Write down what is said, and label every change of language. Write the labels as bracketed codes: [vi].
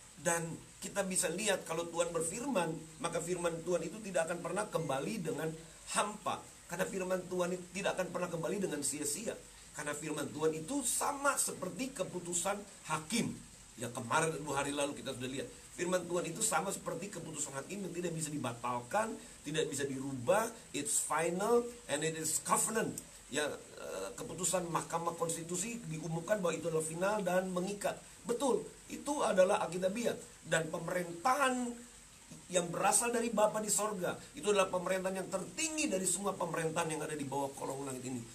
[id] Dan kita bisa lihat kalau Tuhan berfirman, maka firman Tuhan itu tidak akan pernah kembali dengan hampa. Karena firman Tuhan itu tidak akan pernah kembali dengan sia-sia. Karena firman Tuhan itu sama seperti keputusan hakim. Ya, kemarin dua hari lalu kita sudah lihat. Firman Tuhan itu sama seperti keputusan hakim yang tidak bisa dibatalkan, tidak bisa dirubah. [en] It's final and it is covenant. [id] Ya, keputusan Mahkamah Konstitusi diumumkan bahwa itu adalah final dan mengikat. Betul, itu adalah alkitabiah. Dan pemerintahan yang berasal dari Bapa di sorga, itu adalah pemerintahan yang tertinggi dari semua pemerintahan yang ada di bawah kolong langit ini.